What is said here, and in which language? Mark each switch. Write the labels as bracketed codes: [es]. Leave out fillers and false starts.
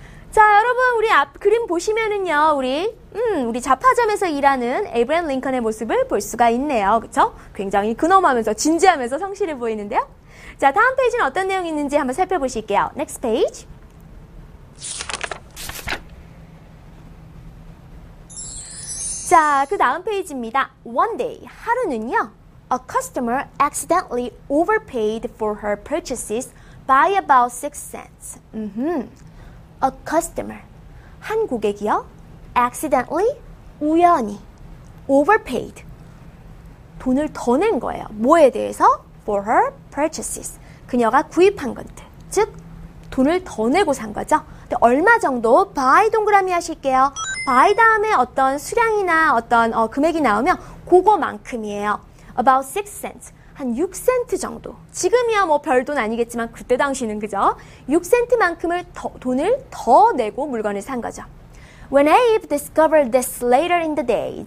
[ko] 자, 여러분 우리 앞 그림 보시면은요. 우리 잡화점에서 일하는 에이브라함 링컨의 모습을 볼 수가 있네요. 그렇죠? 굉장히 근엄하면서 진지하면서 성실해 보이는데요. 자, 다음 페이지는 어떤 내용이 있는지 한번 살펴보실게요. [en] Next page. [ko] 자, 그 다음 페이지입니다. [en] One day. [ko] 하루는요. [en] A customer accidentally overpaid for her purchases by about 6 cents. A customer. [ko] 한 고객이요. [en] Accidentally. [ko] 우연히. [en] Overpaid. [ko] 돈을 더 낸 거예요. 뭐에 대해서? [en] For her purchases. [ko] 그녀가 구입한 것들. 즉, 돈을 더 내고 산 거죠. 근데 얼마 정도? By 동그라미 하실게요. By 다음에 어떤 수량이나 어떤 금액이 나오면 그거만큼이에요. [en] About 6 cents. [ko] 한 6센트 정도. 지금이야 뭐 별돈 아니겠지만 그때 당시는 그죠? 6센트만큼을 돈을 더 내고 물건을 산 거죠. [en] When Abe discovered this later in the day.